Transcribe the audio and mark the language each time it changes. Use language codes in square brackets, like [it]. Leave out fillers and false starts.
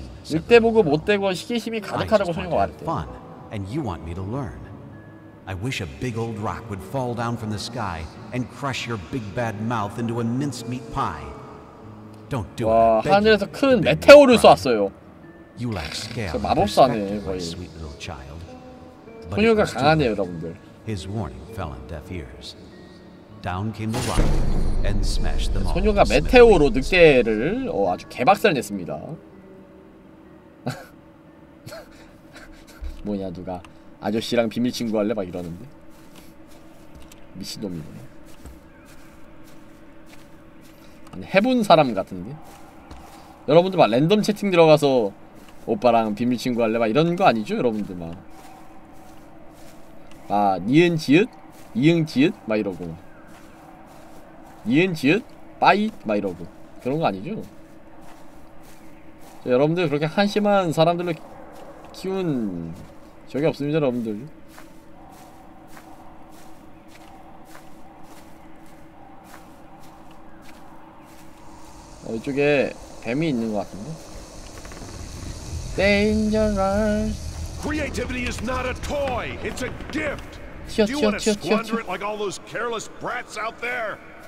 [ko] 늑대 보고 못되고 시기심이 가득하다고 소녀가 말했대. [en] And you want me to learn. I wish a big old rock would fall down from the sky and crush your big bad mouth into a mincemeat pie. Don't do it. [ko] 와, 하늘에서 큰 메테오를 쏘았어요. [en] You lack scale. [ko] 마법사네, 거의. [en] Sweet little child. [ko] 소녀가 강하네요, 여러분들. [en] His warning fell on deaf ears. Down came the rock and smashed them all. [ko] 소녀가 메테오로 늑대를 아주 개박살 냈습니다. 뭐냐 누가 아저씨랑 비밀 친구 할래 막 이러는데 미친놈이네. 아니 해본 사람 같은데. 여러분들 막 랜덤 채팅 들어가서 오빠랑 비밀 친구 할래 막 이런 거 아니죠 여러분들 막. 아 니은 지읒 이응 지읒 막 이러고 니은 지읒 빠이 막 이러고 그런 거 아니죠. 저 여러분들 그렇게 한심한 사람들로 키운 저게 없습니다, 여러분들. 이쪽에 뱀이 있는 것 같은데. [en] Dangerous. Creativity is not a toy. It's a gift. [ko] 치어, 치어, 치어, 치어, 치어. [en] Do you want to squander it like all those careless brats out there?